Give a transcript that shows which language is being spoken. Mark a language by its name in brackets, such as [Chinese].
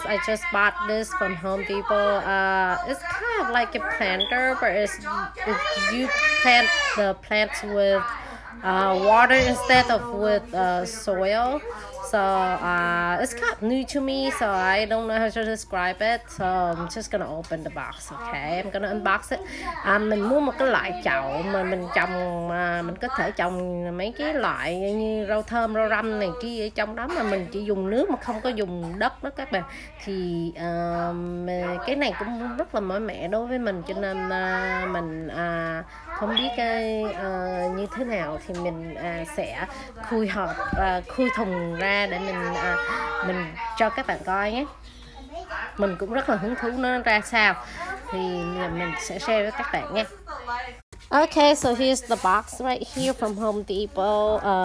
[English] I just bought this from Home Depot. It's kind of like a planter, but it's you plant the plants with water instead of with soil. So it's kind of new to me, so I don't know how to describe it. So I'm just gonna open the box, okay? I'm gonna unbox it. [Vietnamese] Mình mua một cái loại chậu mà mình trồng, mình có thể trồng mấy cái loại như rau thơm, rau răm này kia ở trong đó, mà mình chỉ dùng nước mà không có dùng đất đó các bạn. Thì cái này cũng rất là mới mẻ đối với mình, cho nên mình không biết cái như thế nào, thì mình sẽ khui hộp, khui thùng ra để mình cho các bạn coi nhé. Mình cũng rất là hứng thú nó ra sao, thì mình sẽ share với các bạn nha. [English] Okay, so here's the box right here from Home Depot.